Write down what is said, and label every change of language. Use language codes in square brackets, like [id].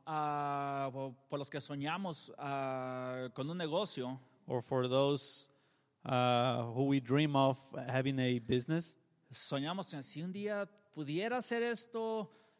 [es] por los que soñamos con un negocio, [en] or for those who we dream of having a business, [es] soñamos que si un día pudiera hacer esto.